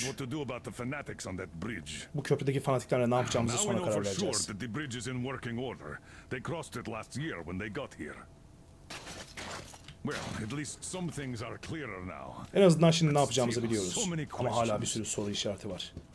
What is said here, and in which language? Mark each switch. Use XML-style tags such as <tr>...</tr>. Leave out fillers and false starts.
<en>What to do about the fanatics on that bridge?</en> <tr>Bu köprüdeki fanatiklerle ne yapacağımızı sonra karar vereceğiz.</tr> <en>Now we know for sure that the bridge is in working order. They crossed it last year when they got here. Well, at least some things are clearer now.</en> <tr>En azından şimdi ne yapacağımızı biliyoruz. Ama hala bir sürü soru işareti var.</tr>